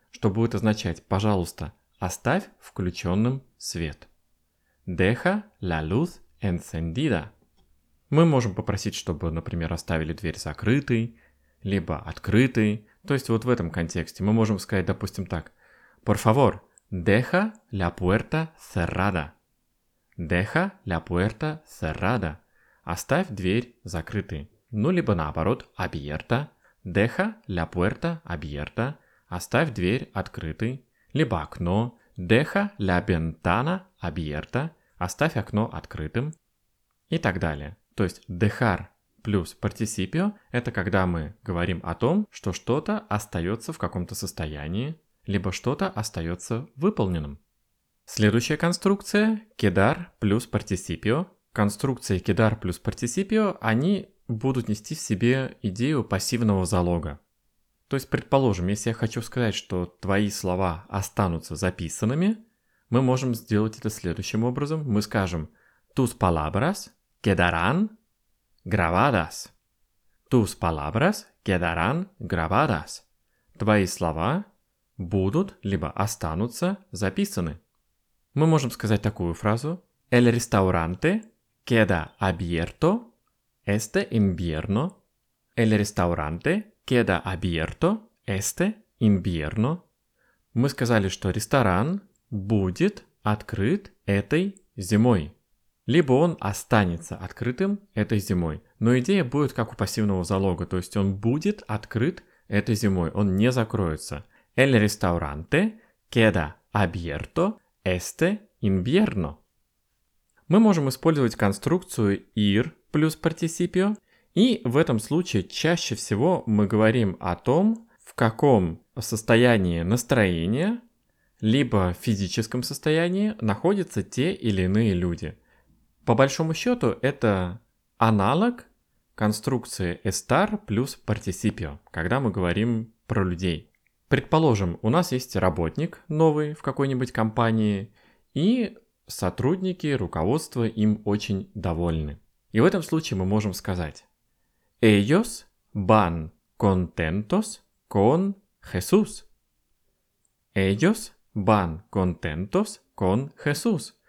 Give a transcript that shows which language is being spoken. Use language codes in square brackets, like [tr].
[ru] Что будет означать «пожалуйста, оставь включенным свет». [es] Deja la luz encendida. [ru] Мы можем попросить, чтобы, например, оставили дверь закрытой, либо открытой. То есть вот в этом контексте мы можем сказать, допустим, так. [es] Por favor, deja la puerta cerrada. Deja la puerta cerrada. [ru] Оставь дверь закрытой. Ну, либо наоборот, abierta. [es] Deja la puerta abierta. [ru] Оставь дверь открытой, либо окно. [es] Deja la ventana abierta. [ru] Оставь окно открытым. И так далее. То есть dejar плюс participio – это когда мы говорим о том, что что-то остается в каком-то состоянии, либо что-то остается выполненным. Следующая конструкция – quedar плюс participio. Конструкции quedar плюс participio, они будут нести в себе идею пассивного залога. То есть, предположим, если я хочу сказать, что твои слова останутся записанными, мы можем сделать это следующим образом. Мы скажем [es] «tus palabras quedarán grabadas». «Tus palabras quedarán grabadas». [ru] «Твои слова будут либо останутся записаны». Мы можем сказать такую фразу [es] «El restaurante queda abierto este invierno». «El restaurante queda abierto este invierno». [ru] Мы сказали, что ресторан будет открыт этой зимой. Либо он останется открытым этой зимой. Но идея будет как у пассивного залога, то есть он будет открыт этой зимой, он не закроется. [es] El restaurante queda abierto este invierno. [ru] Мы можем использовать конструкцию ir плюс participio. И в этом случае чаще всего мы говорим о том, в каком состоянии настроения, либо физическом состоянии находятся те или иные люди. По большому счету это аналог конструкции estar плюс participio, когда мы говорим про людей. Предположим, у нас есть работник новый в какой-нибудь компании, и сотрудники, руководство им очень довольны. И в этом случае мы можем сказать... [es] Ellos van contentos con Jesús. Ellos van contentos con Jesús.